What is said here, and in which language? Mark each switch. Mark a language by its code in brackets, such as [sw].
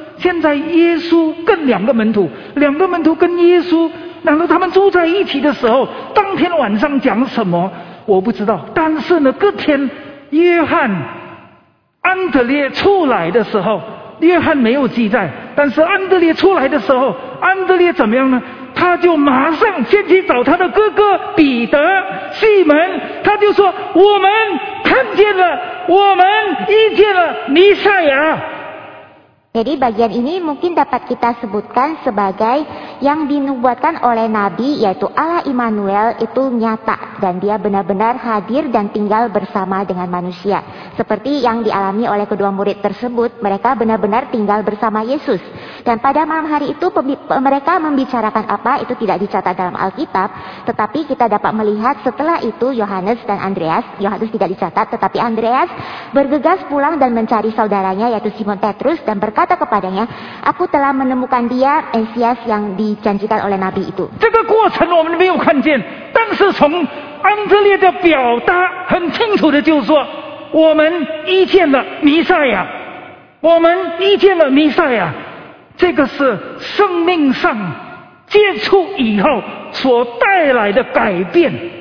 [zh] 现在耶稣跟两个门徒，两个门徒跟耶稣，然后他们住在一起的时候，当天晚上讲什么我不知道，但是呢隔天约翰安德烈出来的时候，约翰没有记载，但是安德烈出来的时候，安德烈怎么样呢？他就马上先去找他的哥哥彼得、西门，他就说：“我们看见了，我们遇见了弥赛亚。” [id] Jadi bagian ini mungkin dapat kita sebutkan sebagai yang dinubuatkan oleh Nabi, yaitu Allah Immanuel itu nyata dan dia benar-benar hadir dan tinggal bersama dengan manusia. Seperti yang dialami oleh kedua murid tersebut, mereka benar-benar tinggal bersama Yesus. Dan pada malam hari itu mereka membicarakan apa itu tidak dicatat dalam Alkitab, tetapi kita dapat melihat setelah itu Yohanes dan Andreas, Yohanes tidak dicatat, tetapi Andreas bergegas pulang dan mencari saudaranya yaitu Simon Petrus dan berkata kepadanya, aku telah menemukan dia, Mesias yang dijanjikan oleh Nabi itu. [zh] 这个过程我们没有看见，但是从安德烈的表达很清楚的就是说，我们遇见了弥赛亚，我们遇见了弥赛亚，这个是生命上接触以后所带来的改变。